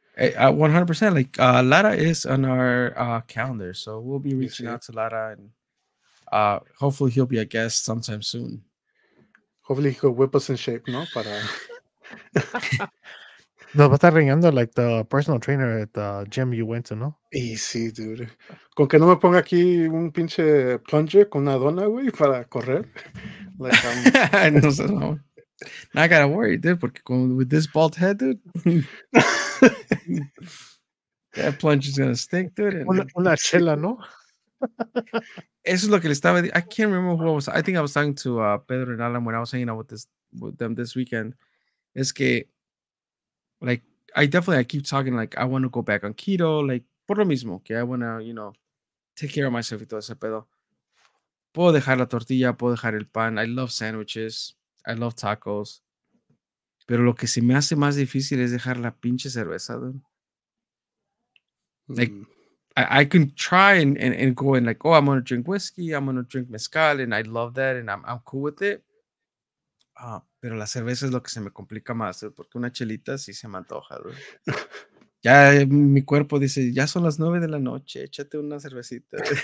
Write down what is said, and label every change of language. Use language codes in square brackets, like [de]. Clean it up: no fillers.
[en] 100%. Like, Lara is on our calendar, so we'll be reaching out to Lara, and hopefully he'll be a guest sometime soon. Hopefully he could whip us in shape, no? [es] Para... No, but that ringando, [en] like, the personal trainer at the gym you went to, no? Easy, dude. [es] Con que no me ponga aquí un pinche plunger con una dona, güey, para correr. [en] Like, no sé, no. Now I gotta worry, dude, [es] porque [en] with this bald head, dude. That plunge is gonna stink, dude. Una chela, no? [es] Eso es lo que le estaba diciendo. [en] I can't remember who I was. I think I was talking to Pedro and Alan when I was hanging out with them this weekend. [es] Es que, like, I keep talking, like, [en] I want to go back on keto, like, por lo mismo, que I want to, you know, take care of myself [es] y todo ese pedo. Puedo dejar la tortilla, puedo dejar el pan. [en] I love sandwiches. I love tacos. [es] Pero lo que se me hace más difícil es dejar la pinche cerveza, dude. [en] Like, I can try and go and, like, oh, I'm going to drink whiskey, I'm going to drink mezcal, and I love that, and I'm cool with it. [es] Pero la cerveza es lo que se me complica más, ¿eh? Porque una chelita sí se me antoja, ¿no? Ya mi cuerpo dice, ya son las 9 de la noche, échate una cervecita.